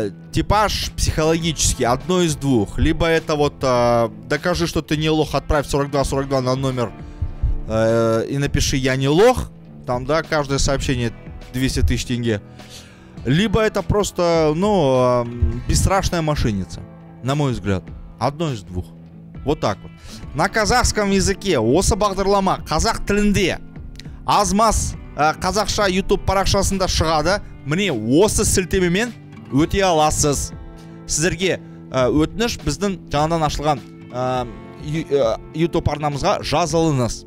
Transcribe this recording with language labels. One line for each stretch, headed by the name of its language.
Russian: Типаж психологический, одно из двух. Либо это вот, докажи, что ты не лох, отправь 4242 на номер и напиши, я не лох. Там, да, каждое сообщение 200 тысяч тенге. Либо это просто, ну, бесстрашная мошенница, на мой взгляд. Одно из двух. Вот так вот. На казахском языке,
Kazakh: осы бағдарлама, казах тілінде, азмас казахша YouTube парақшасында шығады, міне осы сілтемемен өте аласыз. Сіздерге өтініш біздің жаңадан ашылған YouTube арнамызға жазылыңыз.